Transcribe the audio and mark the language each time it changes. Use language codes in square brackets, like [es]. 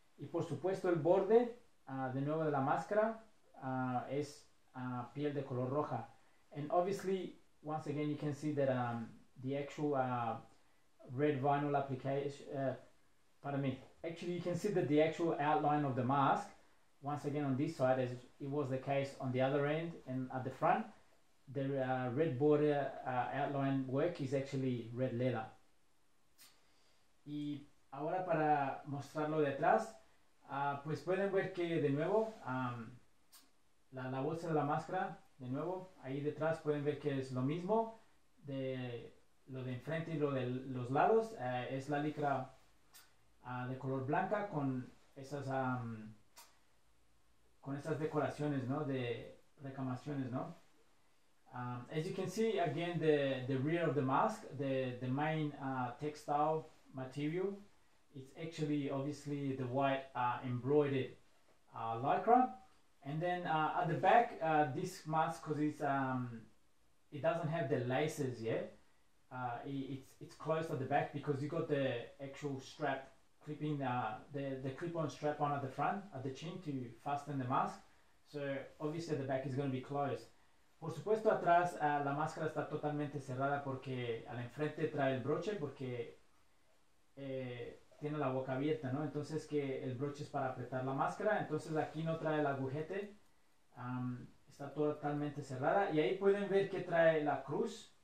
[es] Y por supuesto, el borde de nuevo de la máscara es piel de color roja. [en] And obviously, once again, you can see that the actual red vinyl application, pardon me. Actually, you can see that the actual outline of the mask, once again on this side, as it was the case on the other end and at the front, the red border outline work is actually red leather. [es] Y ahora para mostrarlo detrás, pues pueden ver que de nuevo, la bolsa de la máscara, de nuevo, ahí detrás pueden ver que es lo mismo de lo de enfrente y lo de los lados. Es la licra de color blanca con esas decoraciones, ¿no? De recamaciones, ¿no? [en] As you can see, again, the rear of the mask, the main textile material, it's actually obviously the white embroidered lycra. And then at the back, this mask, because it doesn't have the laces yet, it's closed at the back because you got the actual strap clipping, the clip-on strap on at the front, at the chin, to fasten the mask. So obviously the back is going to be closed. [es] Por supuesto, atrás la máscara está totalmente cerrada porque al enfrente trae el broche porque tiene la boca abierta, ¿no? Entonces que el broche es para apretar la máscara. Entonces aquí no trae el agujete. Está totalmente cerrada. Y ahí pueden ver que trae la cruz.